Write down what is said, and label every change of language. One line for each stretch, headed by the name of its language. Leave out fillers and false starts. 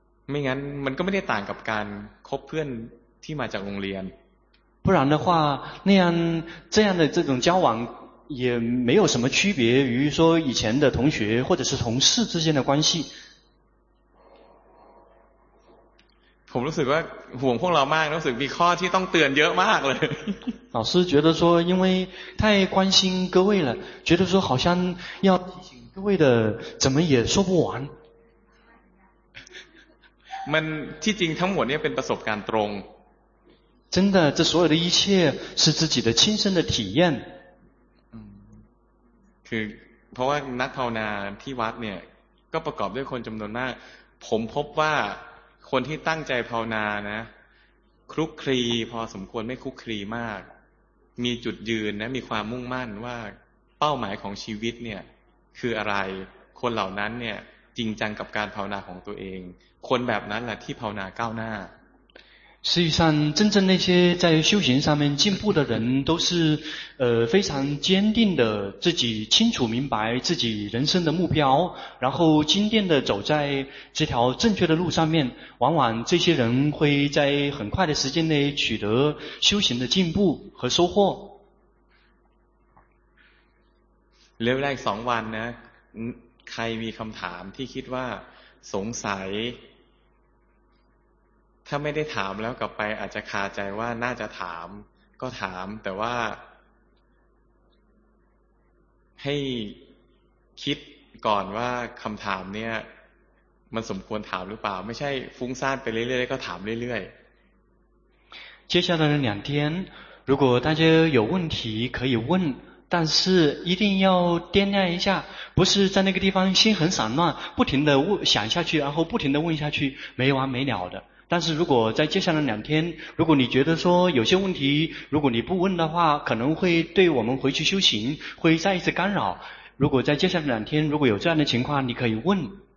Thai: ไม่งั้นมันก็ไม่ได้ต่างกับการคบเพื่อนที่มาจากโรงเรียน
Chinese: 不然的话那样这样的这种交往也没有什么区别于说以前的同学或者是同事之间的关系
Thai: ผมรู้สึกว่าห่วงพวกเรามากรู้สึกมีข้อที่ต้องเตือนเยอะมากเลย
Chinese: 老师觉得说因为太关心各位了觉得说好像要提醒各位的怎么也说不完
Thai: มันที่จริงทั้งหมดเนี่ยเป็นประสบการณ์ตรง
Chinese: 真的这所有的一切是自己的亲身的体验
Thai: คือเพราะว่านักภาวนาที่วัดเนี่ยก็ประกอบด้วยคนจำนวนมากผมพบว่าคนที่ตั้งใจภาวนานะคลุกคลีพอสมควรไม่คลุกคลีมากมีจุดยืนนะมีความมุ่งมั่นว่าเป้าหมายของชีวิตเนี่ยคืออะไรคนเหล่านั้นเนี่ยจริงจังกับการภาวนาของตัวเองคนแบบนั้นแหละที่ภาวนาก้าวหน้า
Chinese: 实际上真正那些在修行上面进步的人都是非常坚定的自己清楚明白自己人生的目标然后坚定的走在这条正确的路上面往往这些人会在很快的时间内取得修行的进步和收获
Thai: เร็วๆ2วันนะใครมีคำถามที่คิดว่าสงสัยถ้าไม่ได้ถามแล้วกลับไปอาจจะคาใจว่าน่าจะถามก็ถามแต่ว่าให้คิดก่อนว่าคำถามเนี่ยมันสมควรถามหรือเปล่าไม่ใช่ฟุ้งซ่านไปเรื่อยๆก็ถามเรื่อย
Chinese: ๆ接下来的两天如果大家有问题可以问但是一定要掂量一下不是在那个地方心很散乱不停的想下去然后不停的问下去没完没了的但是如果在接下来两天如果你觉得说有些问题如果你不问的话可能会对我们回去修行会再一次干扰如果在接下来两天如果有这样的情况你可以问